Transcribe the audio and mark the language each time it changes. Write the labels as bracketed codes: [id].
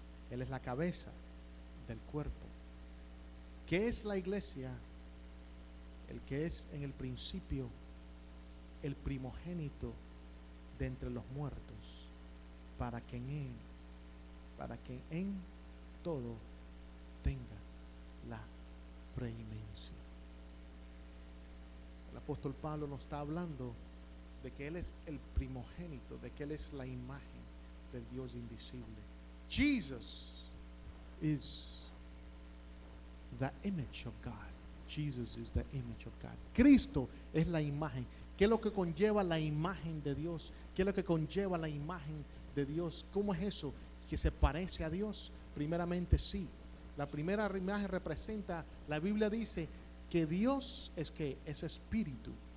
[es] Él es la cabeza del cuerpo, que es la iglesia, el que es en el principio el primogénito de entre los muertos, para que en Él, para que en todo tenga la preeminencia. El apóstol Pablo nos está hablando de que Él es el primogénito, de que Él es la imagen del Dios invisible. [en] Jesus is the image of God. Jesus is the image of God. [es] Cristo es la imagen. ¿Qué es lo que conlleva la imagen de Dios? ¿Qué es lo que conlleva la imagen de Dios? ¿Cómo es eso? ¿Que se parece a Dios? Primeramente, sí. La primera imagen representa, la Biblia dice que Dios es que es espíritu.